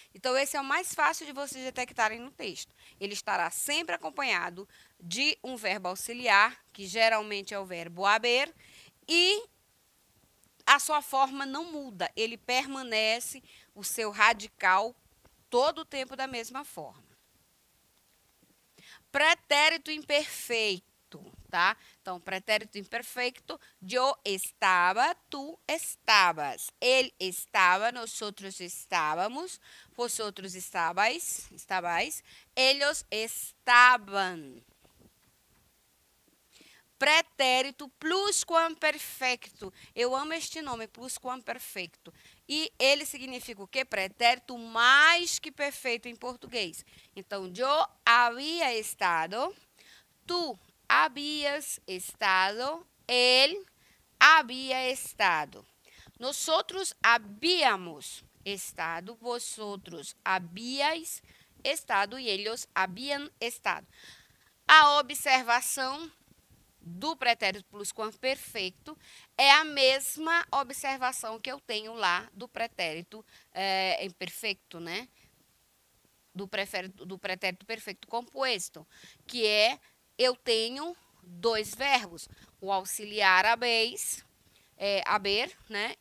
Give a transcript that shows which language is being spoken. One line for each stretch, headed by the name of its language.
Portuguese: Então, esse é o mais fácil de vocês detectarem no texto. Ele estará sempre acompanhado de um verbo auxiliar, que geralmente é o verbo haber, e a sua forma não muda, ele permanece o seu radical todo o tempo da mesma forma. Pretérito imperfeito. tá? Então, pretérito imperfeito,
Spanish: yo estaba, tú estabas, él estaba, nosotros estábamos, vosotros estabais, ellos estaban.
Portuguese: Pretérito pluscuamperfecto. Eu amo este nome, pluscuamperfecto. E ele significa o quê? Pretérito mais que perfeito em português.
Spanish: Então, yo había estado, tú habías estado, él había estado. Nosotros habíamos estado, vosotros habíais estado e ellos habían estado.
Portuguese: A observação do pretérito pluscuamperfeito é a mesma observação que eu tenho lá do pretérito imperfeito, né? Do pretérito perfeito composto, que é eu tenho dois verbos, o auxiliar habes, haber, né?